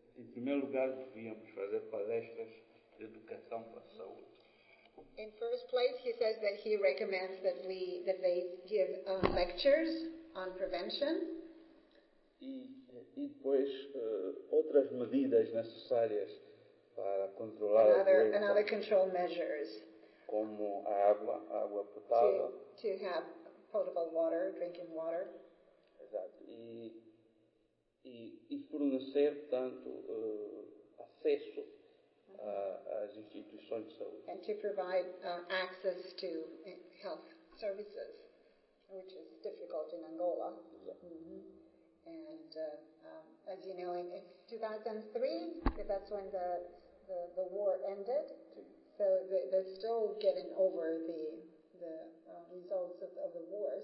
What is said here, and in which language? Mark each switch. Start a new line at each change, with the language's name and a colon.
Portuguese: Em primeiro lugar, devíamos fazer palestras de educação para a saúde.
English: In first place, he says that he recommends that they give lectures on prevention.
Portuguese: E depois outras medidas necessárias para controlar
English: another control measures,
Portuguese: como a água potável,
English: to have potable water, drinking water.
Portuguese: Exato. E fornecer, portanto, acesso às instituições de saúde.
English: And to provide access to health services, which is difficult in Angola.
Portuguese: Exato. Mm-hmm.
English: And as you know, in 2003, that's when the war ended. So they're still getting over the results of the war.